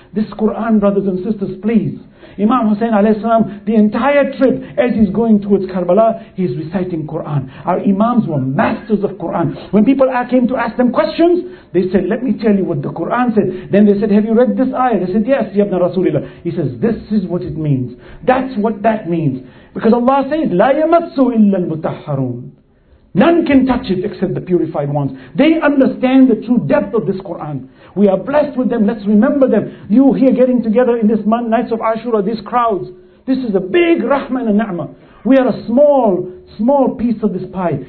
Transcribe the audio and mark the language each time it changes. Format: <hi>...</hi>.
<en>This Quran, brothers and sisters, please. Imam Hussein alayhi salam, the entire trip as he's going towards Karbala, he's reciting Quran. Our imams were masters of Quran. When people came to ask them questions, they said, let me tell you what the Quran said. Then they said, have you read this ayah? They said, yes, Ya Ibn Rasulullah. He says, this is what it means. That's what that means. Because Allah says,</en> <ar>لا يمسو إلا المتحرون.</ar> <en>None can touch it except the purified ones. They understand the true depth of this Quran. We are blessed with them. Let's remember them. You here getting together in this month, nights of Ashura, these crowds. This is a big rahmah and a ni'mah. We are a small, small piece of this pie.</en>